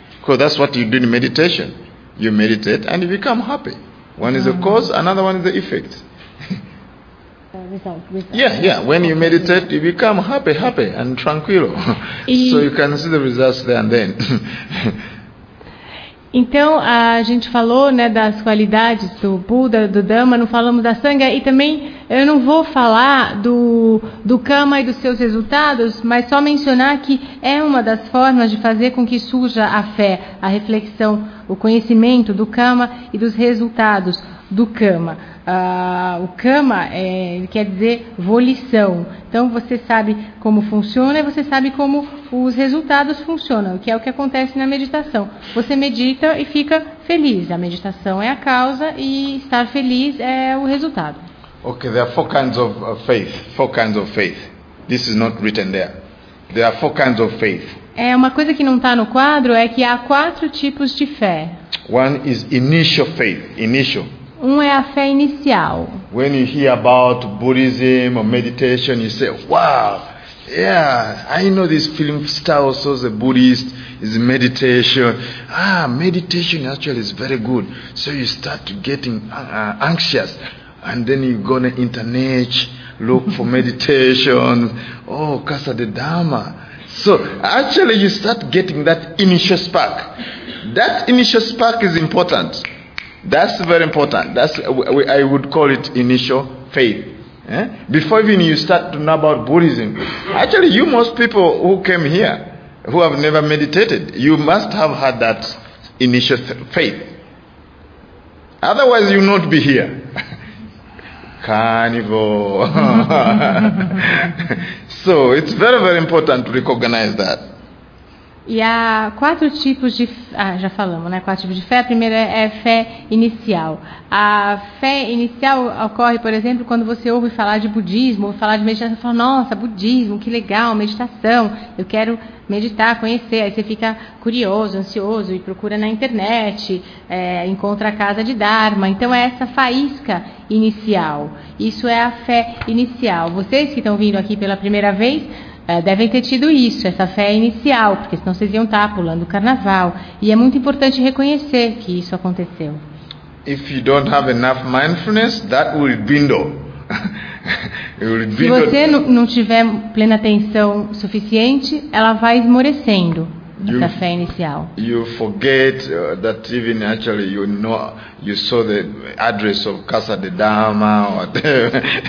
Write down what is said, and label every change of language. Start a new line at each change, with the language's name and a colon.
English: Because that's what you do in meditation. You meditate and you become happy. One is the cause, another one is the effect. Result. Yeah. When you meditate, you become happy and tranquilo. So you can see the results there and then.
Portuguese: Então, a gente falou, né, das qualidades do Buda, do Dhamma, não falamos da Sangha, e também eu não vou falar do Kama e dos seus resultados, mas só mencionar que é uma das formas de fazer com que surja a fé, a reflexão, o conhecimento do Kama e dos resultados do Kama. O Kama ele quer dizer volição. Então, você sabe como funciona e você sabe como os resultados funcionam, que é o que acontece na meditação. Você medita e fica feliz. A meditação é a causa e estar feliz é o resultado.
English: Okay, there are four kinds of faith. Four kinds of faith. This is not written there. There are four kinds of faith.
Portuguese: É uma coisa que não está no quadro é que há quatro tipos de fé.
English: One is initial faith. Initial.
Portuguese: Um é a fé inicial.
English: When you hear about Buddhism or meditation, you say, "Wow, yeah, I know this feeling style. Also, the Buddhist is meditation. Meditation actually is very good." So you start getting anxious, and then you go on the internet, look for meditation. Oh, Kasa de Dharma. So actually, you start getting that initial spark. That initial spark is important. That's very important. I would call it initial faith. Before even you start to know about Buddhism, actually, you most people who came here, who have never meditated, you must have had that initial faith. Otherwise, you will not be here. Carnival. So it's very, very important to recognize that.
Portuguese: E há quatro tipos de já falamos, né? Quatro tipos de fé. A primeira é fé inicial. A fé inicial ocorre, por exemplo, quando você ouve falar de budismo, ouve falar de meditação, fala, nossa, budismo, que legal, meditação, eu quero meditar, conhecer. Aí você fica curioso, ansioso e procura na internet, encontra a casa de Dharma. Então é essa faísca inicial. Isso é a fé inicial. Vocês que estão vindo aqui pela primeira vez, devem ter tido isso, essa fé inicial, porque senão vocês iam estar pulando o carnaval. E é muito importante reconhecer que isso aconteceu.
English: If you don't have enough mindfulness, that will dwindle. It will dwindle.
Portuguese: Se você não tiver plena atenção suficiente, ela vai esmorecendo, essa fé inicial.
English: You forget that even actually you know you saw the address of Casa de Dharma or whatever.